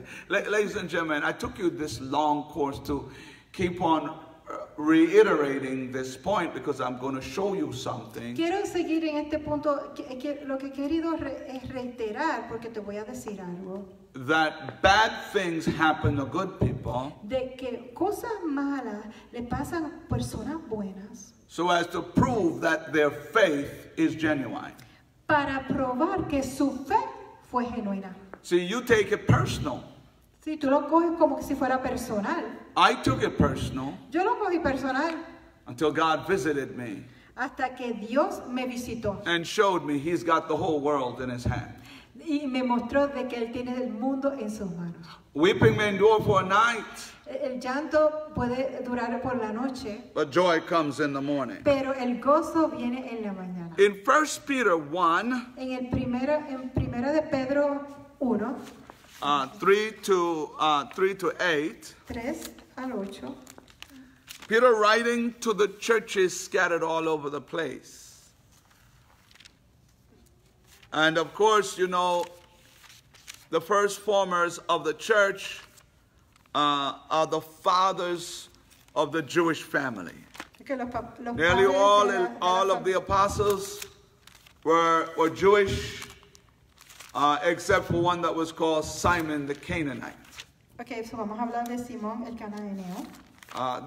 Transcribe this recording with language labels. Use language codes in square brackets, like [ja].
[en] Ladies and gentlemen, I took you this long course to keep on reiterating this point because I'm going to show you something. [es] Quiero seguir en este punto, lo que he querido es reiterar porque te voy a decir algo. [en] That bad things happen to good people. [es] De que cosas malas le pasan a personas buenas. [en] So as to prove that their faith is genuine. [es] Para probar que su fe fue genuina. [en] See, you take it personal. [es] Sí, tú lo coges como que si fuera personal. [en] I took it personal. [es] Yo lo cogí personal. [en] Until God visited me. [es] Hasta que Dios me visitó. [en] And showed me he's got the whole world in his hand. [es] Y me mostró de que él tiene el mundo en sus manos. [en] Weeping may endure for a night. [es] El llanto puede durar por la noche. [en] But joy comes in the morning. [es] Pero el gozo viene en la mañana. [en] In 1 Peter 1. [es] En el primero, en primera de Pedro 1. [en] 3 to 8. [es] 3 al 8. [en] Peter writing to the churches scattered all over the place. And of course, you know, The first formers of the church are the fathers of the Jewish family. Nearly all of the apostles were Jewish, except for one that was called Simon the Canaanite. Okay, so [es] vamos a hablar de Simón el Cananeo.